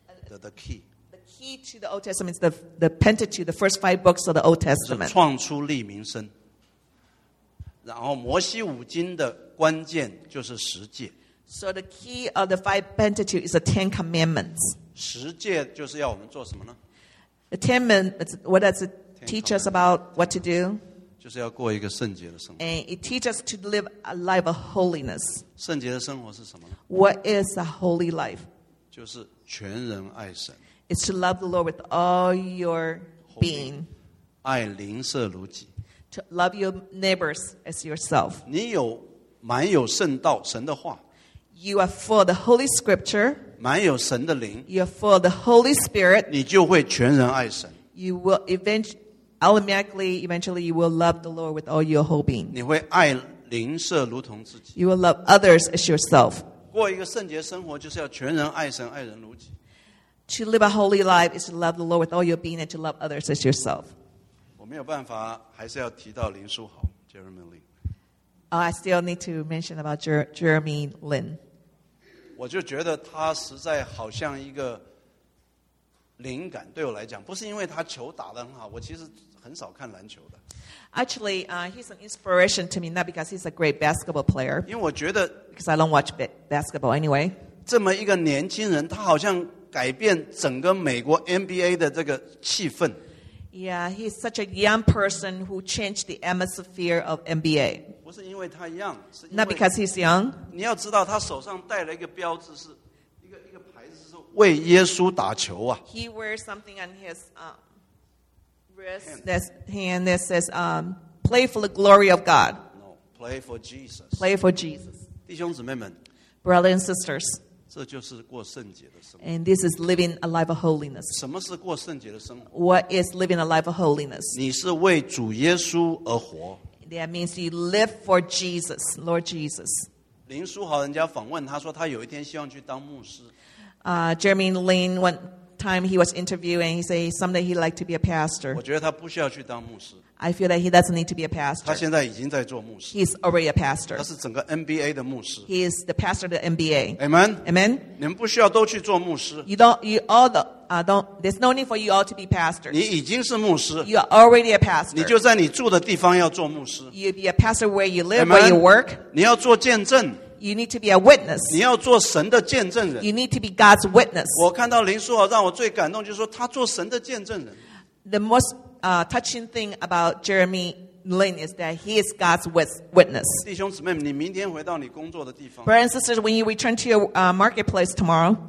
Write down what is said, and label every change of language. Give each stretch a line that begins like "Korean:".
English: The key to the Old Testament is the Pentateuch, the first five books of the Old Testament.
Chinese: 是创出立民生。然后摩西五经的关键就是十诫。
English: So the key of the five Pentateuch is the Ten Commandments.
Chinese: 十诫就是要我们做什么呢？
English: The Ten Commandments, what does it teach us about what to do?
Chinese: 就是要过一个圣洁的生活。
English: And it teaches us to live a life of holiness.
Chinese: 圣洁的生活是什么呢？
English: What is a holy life?
Chinese: 就是全人爱神。
English: It's to love the Lord with all your being.
Chinese: 爱邻舍如己。
English: To love your neighbors as yourself.
Chinese: 你有满有圣道神的话。
English: You are full of the Holy Scripture.
Chinese: 满有神的灵。
English: You are full of the Holy Spirit.
Chinese: 你就会全人爱神。
English: You will eventually you will love the Lord with all your whole being.
Chinese: 你会爱邻舍如同自己。
English: You will love others as yourself.
Chinese: 过一个圣洁生活就是要全人爱神爱人如己。
English: To live a holy life is to love the Lord with all your being and to love others as yourself.
Chinese: 我没有办法还是要提到林书豪 Jeremy Lin.
English: I still need to mention about Jeremy Lin.
Chinese: 我就觉得他实在好像一个灵感，对我来讲不是因为他球打得很好，我其实很少看篮球的。
English: Actually, he's an inspiration to me, not because he's a great basketball player.
Chinese: 因为我觉得
English: Because I don't watch basketball anyway.
Chinese: 这么一个年轻人，他好像改变整个美国 NBA 的这个气氛。
English: Yeah, he's such a young person who changed the atmosphere of NBA.
Chinese: 不是因为他 young， 是因为
English: Not because he's young.
Chinese: 你要知道，他手上戴了一个标志，是一个牌子，是为耶稣打球啊。
English: He wears something on his wrist, that's hand that says "Play for the glory of God." No, play for Jesus. Play for Jesus.
Chinese: 弟兄姊妹们
English: ，Brothers and sisters，
Chinese: 这就是过圣洁的生活。
English: And this is living a life of holiness.
Chinese: 什么是过圣洁的生活
English: ？What is living a life of holiness？
Chinese: 你是为主耶稣而活。
English: That means you live for Jesus, Lord Jesus.
Chinese: 林书豪人家访问他说，他有一天希望去当牧师。
English: Jeremy Lin one time he was interviewed and he said someday he'd like to be a pastor.
Chinese: 我觉得他不需要去当牧师。
English: I feel that he doesn't need to be a pastor.
Chinese: 他现在已经在做牧师。
English: He's already a pastor.
Chinese: 他是整个 NBA 的牧师。
English: He is the pastor of the NBA. Amen. Amen.
Chinese: 你们不需要都去做牧师。
English: There's no need for you all to be pastors.
Chinese: 你已经是牧师。
English: You are already a pastor.
Chinese: 你就在你住的地方要做牧师。
English: You be a pastor where you live,、 Amen? Where you work.
Chinese: 你要做见证。
English: You need to be a witness.
Chinese: 你要做神的见证人。
English: You need to be God's witness.
Chinese: 我看到林书豪让我最感动，就是说他做神的见证人。
English: The most touching thing about Jeremy Lin is that he is God's witness.
Chinese: 弟兄姊妹，你明天回到你工作的地方。
English: Brothers and sisters, when you return to your marketplace tomorrow,